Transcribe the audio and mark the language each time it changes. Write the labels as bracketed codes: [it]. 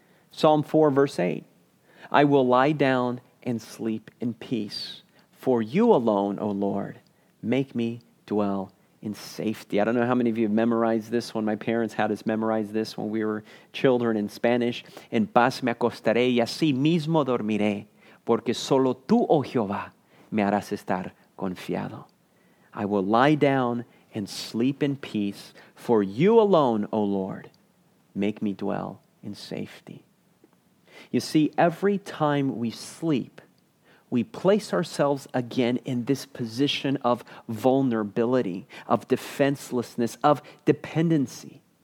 [en] Psalm 4, verse 8, I will lie down and sleep in peace for you alone, O Lord. Make me dwell in safety. I don't know how many of you have memorized this one. My parents had us memorize this when we were children in Spanish. [es] En paz me acostaré y así mismo dormiré, porque solo tú, oh Jehová, me harás estar confiado. [en] I will lie down and sleep in peace, for you alone, O Lord, make me dwell in safety. You see, every time we sleep, we place ourselves again in this position of vulnerability, of defenselessness, of dependency.